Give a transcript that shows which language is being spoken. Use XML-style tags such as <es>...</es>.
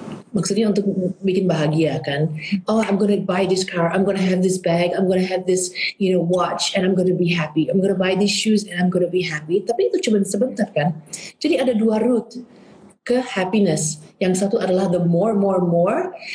<id>Maksudnya untuk bikin bahagia, kan?</id> <en>Oh, I'm going to buy this car. I'm going to have this bag. I'm going to have this, you know, watch, and I'm going to be happy. I'm going to buy these shoes, and I'm going to be happy.</en> <id>Tapi itu cuma sebentar, kan? Jadi ada dua route ke happiness. Yang satu adalah</id> <en>the more, more, more.</en>